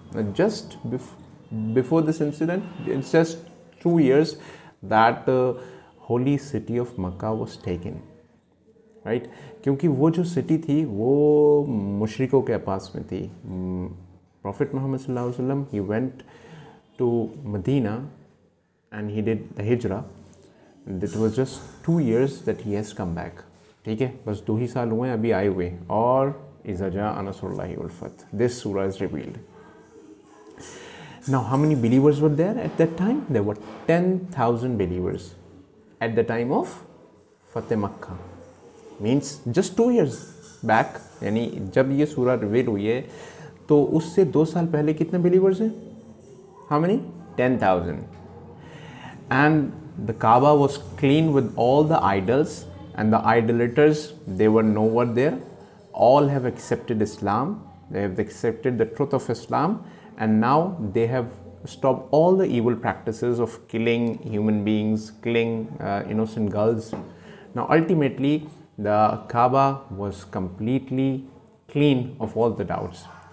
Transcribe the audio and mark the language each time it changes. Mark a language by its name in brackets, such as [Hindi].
[English] Now, just before this incident, it's just 2 years that the holy city of Makkah was taken. Right? Because that city was in the [Hindi] Mushrikon ke paas mein thi. [English] Prophet Muhammad sallallahu alaihi wasallam, he went to Medina and he did the Hijrah. And it was just 2 years that he has come back. [Hindi] ठीक है बस दो ही साल हुए हैं अभी आए हुए और [Arabic] इज़ाज़ा अनसुरुल्लाही वल फतह [English] this सूरा is revealed now how many believers were there at that time there were 10,000 believers at the time of फतेह Makkah means just 2 years back [Hindi] यानी जब ये सूरा रिवील हुई है तो उससे 2 साल पहले कितने बिलीवर्स हैं [English] How many 10,000 and the Kaaba was clean with all the idols And the idolaters, they were nowhere there. All have accepted Islam. They have accepted the truth of Islam. And now they have stopped all the evil practices of killing human beings, killing innocent girls. Now, ultimately, the Kaaba was completely clean of all the doubts.